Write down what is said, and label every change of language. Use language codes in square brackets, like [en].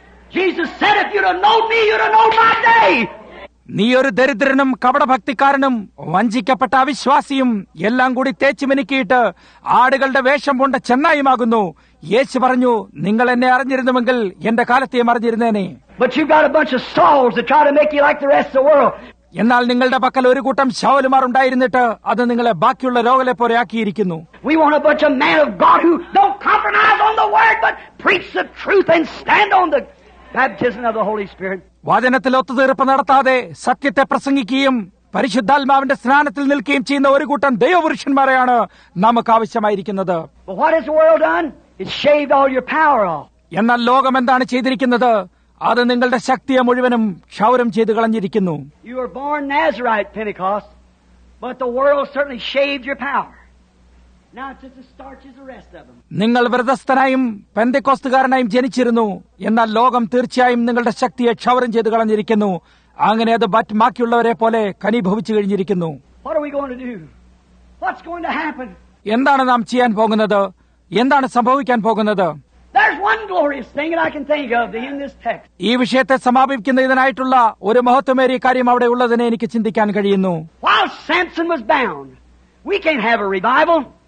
[en] Jesus said, if you don't know me, you don't know my day. [ml] നീ ഒരു ദരിദ്രനും കപടഭക്തിക്കാരനും വഞ്ചിക്കപ്പെട്ട അവിശ്വാസിയും എല്ലാം കൂടി തേച്ചു മിനുക്കിയിട്ട് ആടുകളുടെ വേഷം കൊണ്ട് ചെന്നായിമാകുന്നു. യേശു പറഞ്ഞു, നിങ്ങൾ എന്നെ അറിഞ്ഞിരുന്നുവെങ്കിൽ എന്റെ കാലത്തെയും അറിഞ്ഞിരുന്നേനെ. [en] But you got a bunch of souls to try to make you like the rest of the world. [ml] എന്നാൽ നിങ്ങളുടെ പക്കൽ ഒരു കൂട്ടം ശൗലുമാർ ഉണ്ടായിരുന്നിട്ട് അത് നിങ്ങളെ ബാക്കിയുള്ള ലോകത്തെ പോലെ ആക്കിയിരിക്കുന്നു. [en] We want a bunch of men of God who don't compromise on the word but preach the truth and stand on the baptism of the Holy Spirit. [ml] വചനത്തിൽ ഒത്തുതീർപ്പ് നടത്താതെ സത്യത്തെ പ്രസംഗിക്കുകയും പരിശുദ്ധാത്മാവിന്റെ സ്നാനത്തിൽ നിൽക്കുകയും ചെയ്യുന്ന ഒരു കൂട്ടം ദൈവപുരുഷന്മാരെയാണ് നമുക്ക് ആവശ്യമായിരിക്കുന്നത്. [en] What has the world done? It shaved all your power off. [ml] എന്നാൽ ലോകം എന്താണ് ചെയ്തിരിക്കുന്നത്? അത് നിങ്ങളുടെ ശക്തിയെ മുഴുവനും ക്ഷൗരം ചെയ്ത് കളഞ്ഞിരിക്കുന്നു. [en] You were born Nazarite Pentecost, but the world certainly shaved your power. Now it's just as starchy as the rest of them. [ml] നിങ്ങൾ വ്രതസ്ഥനായും പെന്തക്കോസ്തുകാരനായും ജനിച്ചിരുന്നു, എന്നാൽ ലോകം തീർച്ചയായും നിങ്ങളുടെ ശക്തിയെ ക്ഷൗരം ചെയ്ത് കളഞ്ഞിരിക്കുന്നു. അങ്ങനെ അത് ബാക്കിയുള്ളവരെ പോലെ കനിഭവിച്ചു കഴിഞ്ഞിരിക്കുന്നു. [en] What are we going to do? What's going to happen? [ml] എന്താണ് നാം ചെയ്യാൻ പോകുന്നത്? എന്താണ് സംഭവിക്കാൻ പോകുന്നത്? [en] There's one glorious thing that I can think of in this text. [ml] ഈ വിഷയത്തെ സമാപിക്കുന്ന ഇതിനായിട്ടുള്ള ഒരു മഹത്വമേറിയ കാര്യം അവിടെ ഉള്ളതിനെ എനിക്ക് ചിന്തിക്കാൻ കഴിയുന്നു. [en] While Samson was bound, we can't have a revival.